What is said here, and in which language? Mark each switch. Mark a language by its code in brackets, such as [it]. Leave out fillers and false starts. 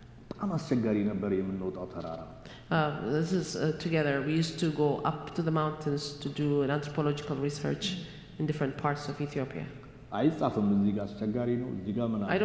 [am] በጣም አስቸጋሪ ነበር የምንወጣው ተራራ [en] this is together we used to go up to the mountains to do an anthropological research in different parts of Ethiopia [am] አይጻፍም እዚህ ጋር አስቸጋሪ ነው እዚህ ጋር ምን